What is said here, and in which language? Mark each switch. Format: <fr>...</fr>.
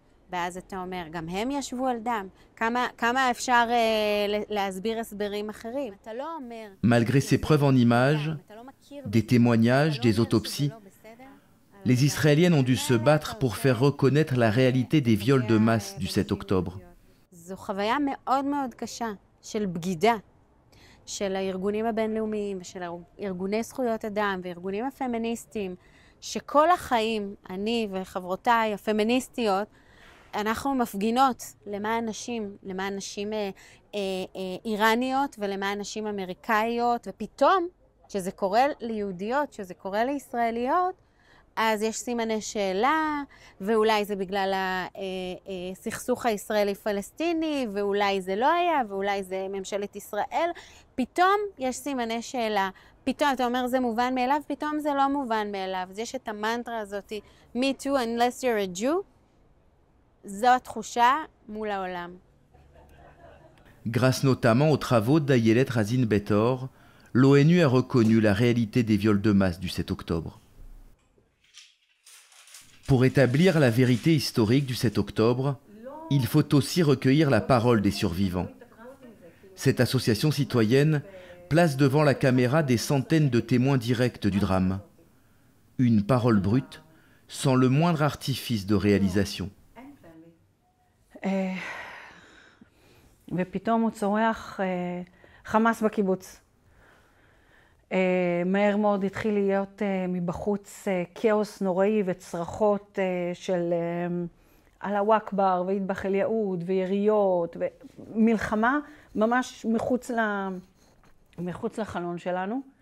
<he>ואז אתה אומר, גם הם ישבו על דם. כמה אפשר להסביר הסברים אחרים? אתה לא אומר...</he> <fr>Malgré ses preuves en images, des témoignages, des autopsies, les Israéliennes ont dû se battre pour faire reconnaître la réalité des viols de masse du 7 octobre.</fr> <he>זו חוויה מאוד מאוד קשה של בגידה, של הארגונים הבינלאומיים, של ארגוני זכויות אדם וארגונים הפמיניסטיים, שכל החיים, אני וחברותיי הפמיניסטיות, אנחנו מפגינות למען נשים איראניות ולמען נשים אמריקאיות, ופתאום, כשזה קורה ליהודיות, כשזה קורה לישראליות, אז יש סימני שאלה, ואולי זה בגלל הסכסוך הישראלי-פלסטיני, ואולי זה לא היה, ואולי זה ממשלת ישראל. פתאום יש סימני שאלה. פתאום, אתה אומר, זה מובן מאליו, פתאום זה לא מובן מאליו. אז יש את המנטרה הזאת,</he> <en>me too, unless you're a Jew.</en> <he>זו התחושה מול העולם.</he> <fr>Grâce notamment aux travaux d'Ayelet Razin Betor, l'ONU a reconnu la réalité des viols de masse du 7 octobre. Pour établir la vérité historique du 7 octobre, il faut aussi recueillir la parole des survivants. Cette association citoyenne place devant la caméra des centaines de témoins directs du drame. Une parole brute, sans le moindre artifice de réalisation.</fr> <he>ופתאום הוא צורח חמאס בקיבוץ. מהר מאוד התחיל להיות מבחוץ כאוס נוראי וצרחות של</he> <ar>אלאהו אכבר ואטבח אל-יהוד</ar> <he>ויריות ומלחמה ממש מחוץ לחלון שלנו.</he>